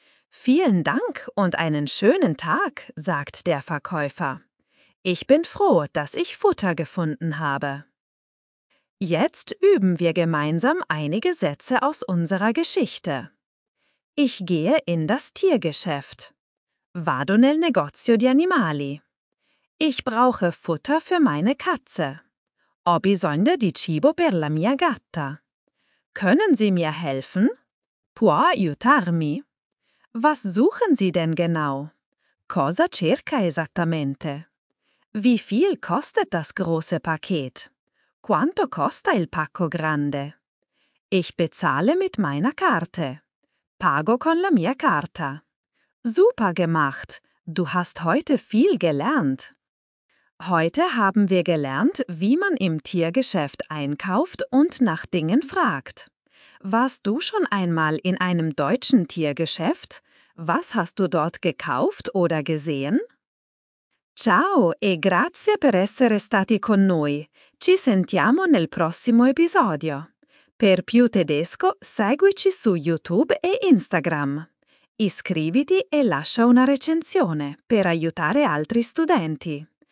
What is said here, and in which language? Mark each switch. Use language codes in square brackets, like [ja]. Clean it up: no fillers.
[de] Vielen Dank und einen schönen Tag, sagt der Verkäufer. Ich bin froh, dass ich Futter gefunden habe. Jetzt üben wir gemeinsam einige Sätze aus unserer Geschichte. Ich gehe in das Tiergeschäft. [it] Vado nel negozio di animali. [de] Ich brauche Futter für meine Katze. [it] Ho bisogno di cibo per la mia gatta. [de] Können Sie mir helfen? [it] Può aiutarmi? [de] Was suchen Sie denn genau? [it] Cosa cerca esattamente? [de] Wie viel kostet das große Paket? [it] Quanto costa il pacco grande? [de] Ich bezahle mit meiner Karte. [it] Pago con la mia carta. [de] Super gemacht! Du hast heute viel gelernt. Heute haben wir gelernt, wie man im Tiergeschäft einkauft und nach Dingen fragt. Warst du schon einmal in einem deutschen Tiergeschäft? Was hast du dort gekauft oder gesehen? [it] Ciao e grazie per essere stati con noi. Ci sentiamo nel prossimo episodio. Per più tedesco, seguici su YouTube e Instagram. Iscriviti e lascia una recensione per aiutare altri studenti.